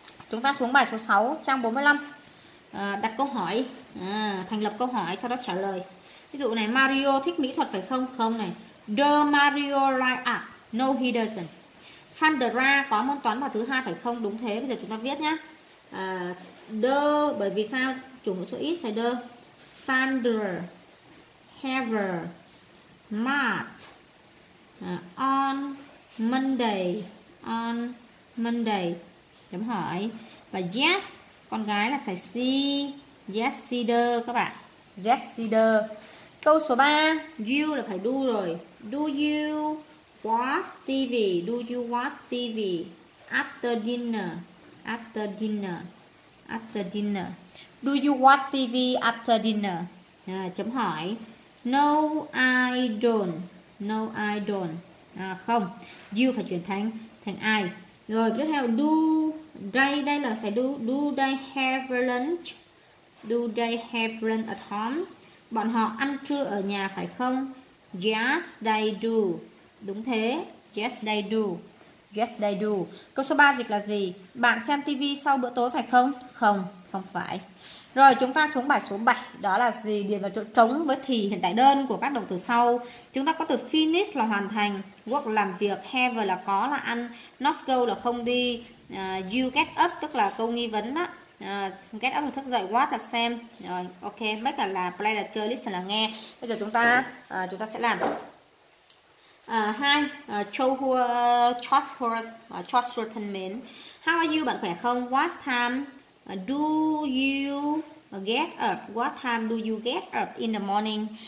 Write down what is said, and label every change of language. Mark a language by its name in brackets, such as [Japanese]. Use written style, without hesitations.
[Vietnamese] Chúng ta xuống bài số 6, trang 45. Đặt câu hỏi. Thành lập câu hỏi cho đáp trả lời. Ví dụ này, Mario thích mỹ thuật phải không? Không này. [English] Does Mario like art? No, he doesn't. [Vietnamese] Sandra có môn toán vào thứ hai phải không? Đúng thế. Bây giờ chúng ta viết nhé. Does, bởi vì sao? Chủ ngữ số ít sẽ does. [English] Sandra have math on Monday. On Monday. [Vietnamese] Chấm hỏi. Và yes, con gái là phải see. [English] Yes, she does [Vietnamese] các bạn. [English] Yes, she does. [Vietnamese] Câu số 3, you là phải do rồi. [English] Do you watch TV? Do you watch TV after dinner? After dinner. After dinner. Do you watch TV after dinner? [Vietnamese] Chấm hỏi. [English] No, I don't. No, I don't. [Vietnamese] Không. You phải chuyển thành I. Rồi tiếp theo, [English] do they, [Vietnamese] đây là phải do. [English] Do they have lunch? Do they have lunch at home? [Vietnamese] Bọn họ ăn trưa ở nhà phải không? [English] Yes, they do. [Vietnamese] Đúng thế. [English] Yes, they do. Yes, they do. [Vietnamese] Câu số 3 dịch là gì? Bạn xem TV sau bữa tối phải không? Không, không phải. Rồi chúng ta xuống bài số 7. Đó là gì? Điền vào chỗ trống với thì hiện tại đơn của các động từ sau. Chúng ta có từ finish là hoàn thành, work làm việc, have là có là ăn, not go là không đi, [English] you get up [Vietnamese] tức là câu nghi vấn đó. Get up là thức dậy, watch là xem. Rồi, ok, make là play là chơi, listen là nghe. Bây giờ chúng ta sẽ làm. [English] Hi, Charles Horton Min. How are you? [Vietnamese] Bạn khỏe không? [English] What time do you Get up. What time do you get up in the morning?